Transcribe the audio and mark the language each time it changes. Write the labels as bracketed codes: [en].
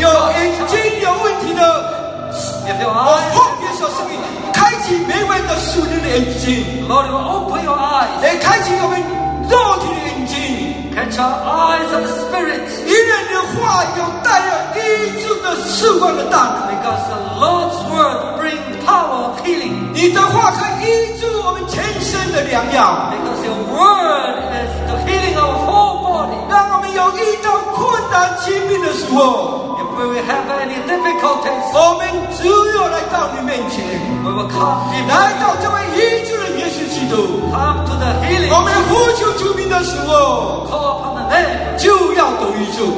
[zh] 有眼睛有问题的， [en] if your eyes, [zh] 我奉耶稣圣名开启每位的属灵的眼睛。 [en] Lord, you open your eyes. [zh] 来开启我们肉体的眼睛。 [en] Catch our eyes of the spirit. [zh] 因为你的话有带着医治的释放的大能。 [en] Because the Lord's word bring power of healing. [zh] 你的话可以医治我们全身的良药。 [en] Because your word is the healing of whole body. [zh] 让我们有遇到困难疾病的时候， [en] if we have any difficulties, [zh] 我们只有来到你面前。 [en] We will come before you. [zh] 来到这位医治的耶稣基督。 [en] Come to the healing. [zh] 我们呼求主名的时候。就要得医治。